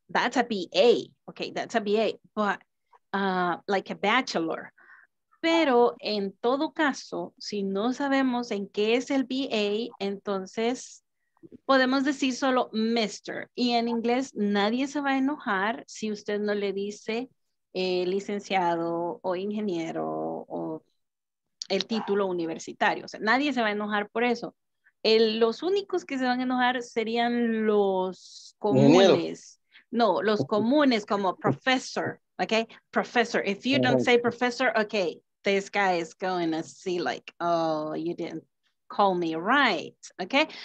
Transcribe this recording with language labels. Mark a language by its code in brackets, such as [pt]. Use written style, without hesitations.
[en] That's a BA, okay, that's a BA, but like a bachelor. [es] Pero en todo caso, si no sabemos en qué es el BA, entonces podemos decir solo Mr. Y en inglés nadie se va a enojar si usted no le dice licenciado o ingeniero o el título universitario. O sea, nadie se va a enojar por eso. Los únicos que se van a enojar serían los comunes, No, los comunes como professor, okay? [en] Professor, if you don't say professor, okay, this guy is going to see like, oh, you didn't call me right, okay?